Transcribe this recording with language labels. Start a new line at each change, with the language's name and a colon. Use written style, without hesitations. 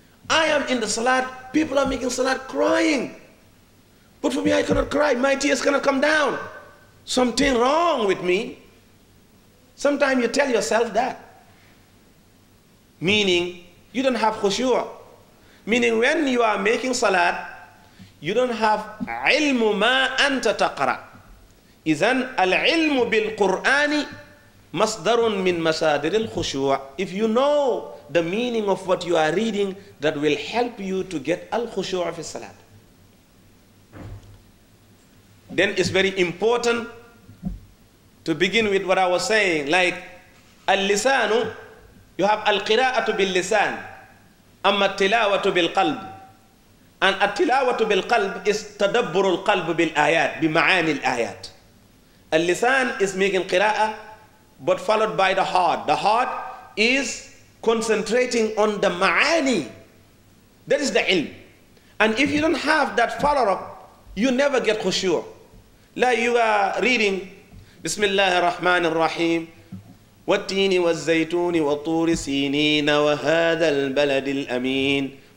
English: I am in the salat, people are making salat crying, but for me I cannot cry, my tears cannot come down. Something wrong with me. Sometimes you tell yourself that, meaning you don't have khushu', meaning when you are making salat you don't have
Arabic: ilmu ma anta taqra. إذن العلم بالقرآن مصدر من مصادر الخشوع.
English: If you know the meaning of what you are reading, that will help you to get
Arabic: الخشوع في الصلاة.
English: Then it's very important to begin with what I was saying, like اللسان. You have
Arabic: القراءة باللسان أما التلاوة بالقلب. And التلاوة بالقلب is تدبر القلب بالآيات بمعاني الآيات.
English: Al-lisan is making qira'ah, but followed by the heart. The heart is concentrating on the ma'ani. That is the ilm. And if you don't have that follow-up, you never get khushu'. Like you are reading,
Arabic: Bismillah ar-Rahman ar-Rahim, وَالتِّينِ وَالزَّيْتُونِ وَالطُّورِ سِينِينَ وَهَذَا الْبَلَدِ الْأَمِينِ.